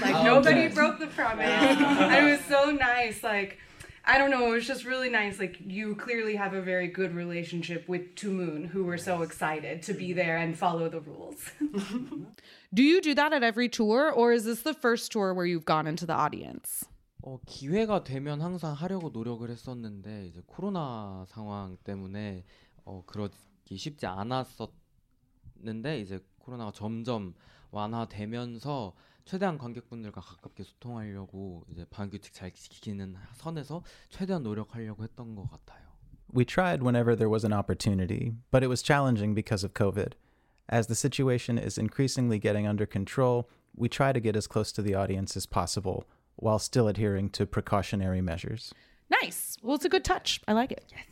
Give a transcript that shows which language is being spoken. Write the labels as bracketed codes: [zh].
[en] Like, oh, nobody broke the promise. Yeah. And it was so nice, like... I don't know, it was just really nice. Like, you clearly have a very good relationship with Two Moon, who were so excited to be there and follow the rules. Do you do that at every tour, or is this the first tour where you've gone into the audience? [ko] 기회가 되면 항상 하려고 노력을 했었는데 이제 코로나 상황 때문에 그러기 쉽지 않았었는데 이제 코로나가 점점 완화되면서 최대한 관객분들과 가깝게 소통하려고 이제 방역규칙 잘 지키는 선에서 최대한 노력하려고 했던 것 같아요. [en] We tried whenever there was an opportunity, but it was challenging because of COVID. As the situation is increasingly getting under control, we try to get as close to the audience as possible while still adhering to precautionary measures. Nice. Well, it's a good touch. I like it.